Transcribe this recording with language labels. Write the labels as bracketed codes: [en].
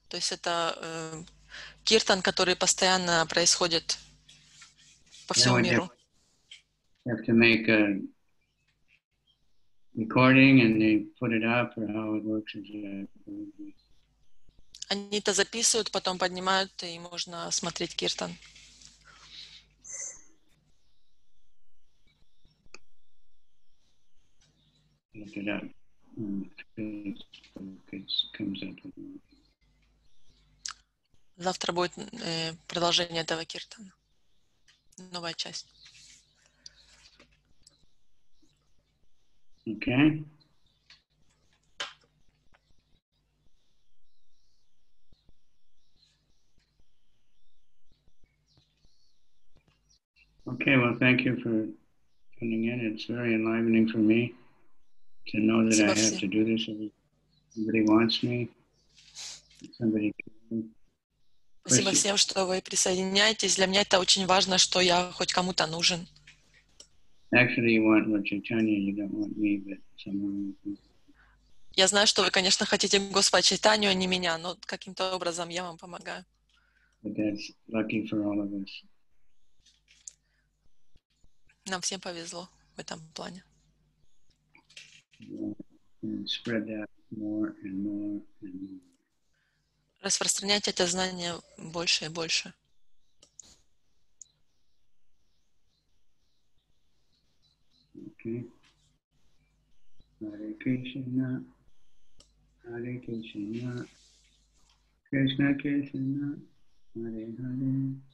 [ru] То есть это киртан, который постоянно происходит по всему миру. [en] You have to make a recording and they put it up, or how it works is [ru] Они это записывают, потом поднимают, и можно смотреть киртан. [en] Look it up. It comes up. [ru] Завтра будет продолжение этого киртана. Новая часть. [en] Okay. Okay, well, thank you for tuning in. It's very enlivening for me to know that I have to do this. Somebody wants me. Somebody can. [ru] Спасибо всем, что вы присоединяетесь. Для меня это очень важно, что я хоть кому-то нужен. [en] Actually, you want Lord Chaitanya, you don't want me, but someone else. [ru] Я знаю, что вы, конечно, хотите Господа Чайтанью, а не меня, но каким-то образом я вам помогаю. [en] But that's lucky for all of us. [ru] Нам всем повезло в этом плане. [en] Yeah. And spread that more and more and more. [ru] Распространять это знание больше и больше. [en] Okay. Hare Krishna. [sa] Hare Krishna. Krishna Krishna. Hare Hare.